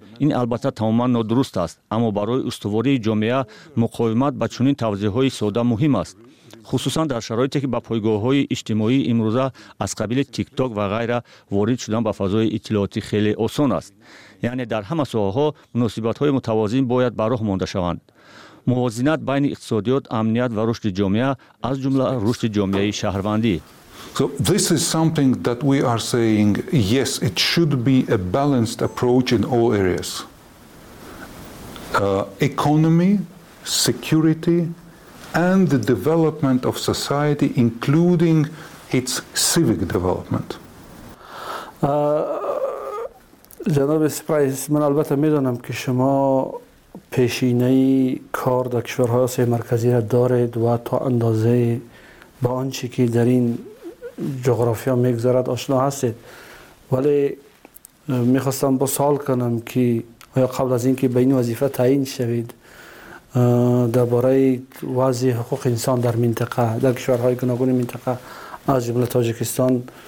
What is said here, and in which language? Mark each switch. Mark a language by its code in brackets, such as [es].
[fa] این البته تماماً نادرست است، اما برای استواری جامعه مقاومت با چنین توضیح‌های ساده مهم است، خصوصاً در شرایطی که با پایگاه‌های اجتماعی امروزه از قبیل تیک تاک و غیره وارد شدن به فضای اطلاعاتی خیلی آسان است. یعنی در همه ساحه‌ها مناسبت‌های متوازن باید به راه مانده شوند. موازنت بین اقتصادیات، امنیت و رشد جامعه، از جمله رشد جامعه شهروندی. [en] So this is something that we are saying, yes, it should be a balanced approach in all areas. Economy, security and the development of society, including its civic development. [fa] جناب سپرایز، من البته میدونم که شما پیشینه کار در کشورهای آسیای مرکزی را دارید و تا اندازه با آنچه که در این جغرافیا میگذرد آشنا هستید، ولی میخواستم با سوال کنم که آیا قبل از اینکه به این وظیفه تعیین شوید درباره وضع حقوق انسان در منطقه، در کشورهای گوناگون منطقه از جمله تاجیکستان